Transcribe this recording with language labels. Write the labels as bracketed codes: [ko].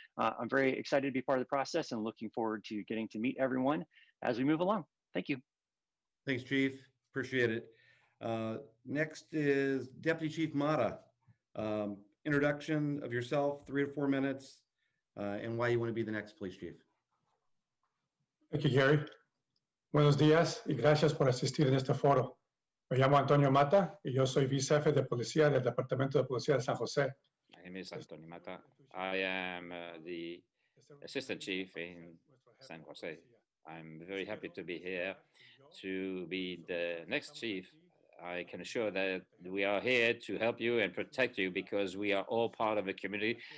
[en] I'm very excited to be part of the process and looking forward to getting to meet everyone as we move along. Thank you. Thanks, Chief. Appreciate it. Next is Deputy Chief Mata. Introduction of yourself, 3 to 4 minutes, and why you want to be the next police chief. Thank you, Gary. [es] Buenos días y gracias por asistir en este foro. Me llamo Antonio Mata y yo soy vice jefe de policía del Departamento de Policía de San José. [en] My name is Antonio Mata. I am the assistant chief in San Jose. I'm very happy to be here to be the next chief. I can assure that we are here to help you and protect you because we are all part of a community.